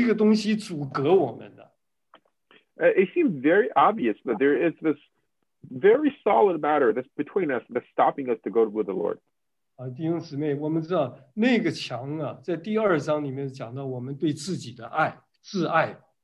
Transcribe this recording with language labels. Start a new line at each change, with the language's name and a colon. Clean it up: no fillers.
Chinese: 表示我们跟主之间呢，还有相当很具体的一个东西阻隔我们的。
English: It seems very obvious that there is this very solid matter that's between us that's stopping us to go with the Lord.
Chinese: 弟兄姊妹，我们知道那个墙啊，在第二章里面讲到我们对自己的爱，自爱。